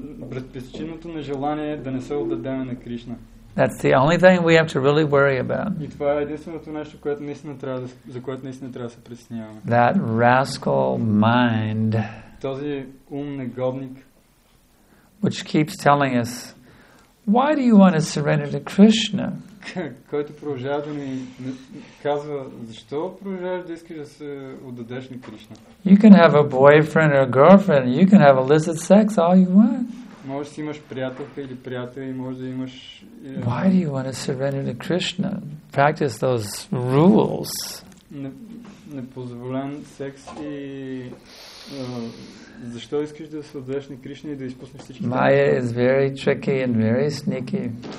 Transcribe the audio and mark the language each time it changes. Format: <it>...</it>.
<bg>Безпричинното нежелание да не се отдадем на Кришна.</bg> <en>That's the only thing we have to really worry about.</en> <bg>И това е единственото нещо, което наистина трябва да, за което наистина трябва да се притесняваме.</bg> <en>That rascal mind.</en> <bg>Този ум негодник.</bg> <en>Which keeps telling us, why do you want to surrender to Krishna?</en> <bg>Който продължава да ни казва, защо продължаваш да искаш да се отдадеш на Кришна?</bg> <en>You can have a boyfriend or a girlfriend, you can have illicit sex all you want.</en> <bg>Можеш да имаш приятелка или приятел и можеш да имаш...</bg> <en>Why do you want to surrender to Krishna? Practice those rules.</en> <bg>Непозволен секс и... Защо искаш да се отдадеш на Кришна и да изпуснеш всички...</bg> <en>Maya is very tricky and very sneaky.</en>